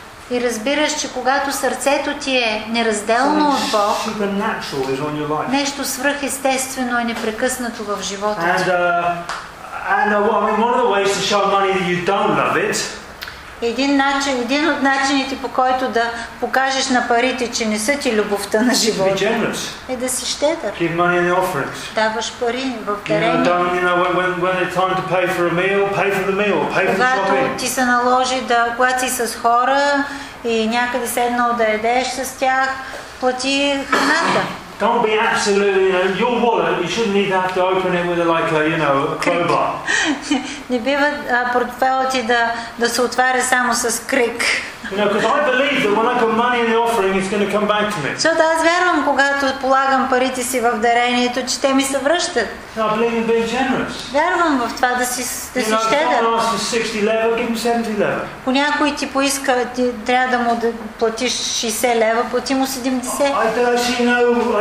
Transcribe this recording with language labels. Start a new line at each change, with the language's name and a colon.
Bulgarian: И разбираш, че когато сърцето ти е неразделно от Бог, нещо свръхестествено е непрекъснато в живота ти. Един от начините, по който да покажеш на парите, че не са ти любовта на живота, е да си щедър.
English: Give money in the offerings.
Bulgarian: Даваш пари в дарение.
English: When it's time to pay for a meal, pay for the meal, pay for the shopping.
Bulgarian: Когато ти се наложи да плати с хора и някъде седнал да едеш с тях, плати храната.
English: Don't be absolutely, your wallet, you shouldn't need to have to open it with a crowbar.
Bulgarian: Не бива портфелът ти да се отваря само с крик.
English: You know, because I believe that when I put money in the offering, it's going to come back to me.
Bulgarian: Защото аз вярвам, когато полагам парите си в дарението, че те ми се връщат.
English: I believe in being generous.
Bulgarian: Вярвам в това да си щедър.
English: You know, if someone asks for 60 лева, give them 70 лева.
Bulgarian: Ако някой ти поиска, ти трябва да му да платиш 60 лева, плати му 70.